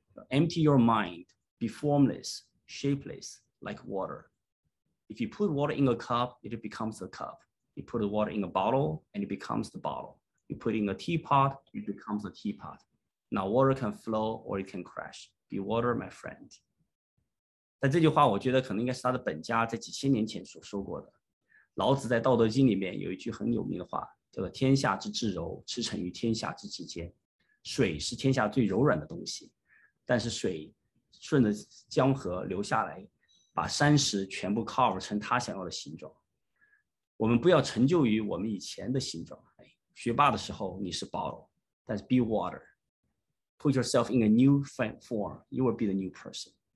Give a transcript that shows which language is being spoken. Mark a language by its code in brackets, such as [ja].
[en] Empty your mind, be formless, shapeless, like water. If you put water in a cup, it becomes a cup. You put the water in a bottle, and it becomes the bottle. You put in a teapot, it becomes a teapot. Now water can flow or it can crash. Be water, my friend. [zh] 但这句话我觉得可能应该是他的本家在几千年前所说过的。老子在《道德经》里面有一句很有名的话，叫做天下之至柔，驰骋于天下之至坚。水是天下最柔软的东西，但是水顺着江河流下来，把山石全部 carve 成他想要的形状。我们不要成就于我们以前的形状。学霸的时候你是 bottle, 但是 [en] be water. Put yourself in a new form, you will be the new person.